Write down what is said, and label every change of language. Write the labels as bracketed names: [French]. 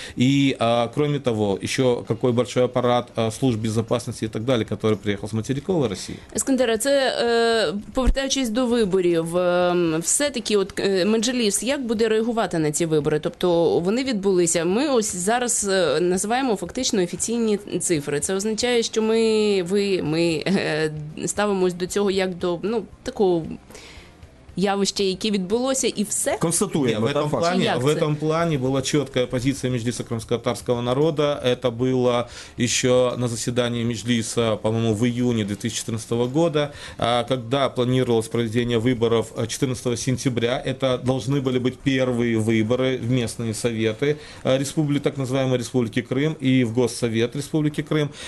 [Russian] И кроме того, еще какой большой аппарат служб безопасности и так далее, который приехал с материковой России. [Ukrainian] Ескандер, а це, повертаючись до виборів, все-таки от Меджліс, як буде реагувати на ці вибори? Тобто вони відбулися, ми ось зараз називаємо фактично офіційні цифри. Це означає, що ми ставимось до цього як до, ну, такого явища, яке відбулося, і все? Констатуємо. Ні, [Russian] в этом плане [Ukrainian] була чіткая позиція Меджліса кримськотатарського народу. [Russian] Это было еще на заседании Меджліса, по-моему, в июне 2014 года, когда планировалось проведение выборов 14 сентября. Это должны были быть первые выборы в местные советы республики, так называемой Республики Крым, и в Госсовет Республики Крым.